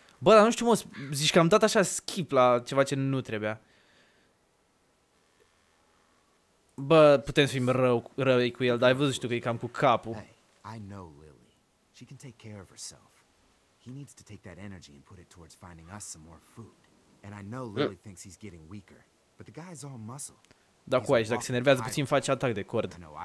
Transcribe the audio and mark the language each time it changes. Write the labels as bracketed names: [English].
[Romanian] Bă, dar nu știu, mă, zici că am dat așa skip la ceva ce nu trebuia. Bă, putem să fim rău cu el, dar ai văzut și tu că e cam cu capul. [English] I know Lily. She can take care of herself. He needs to take that energy and put it towards finding us some more food. And I know Lily thinks he's getting weaker, but the guy's all muscle. [Romanian] Da, cu aici, dacă se enervează puțin face atac de cord.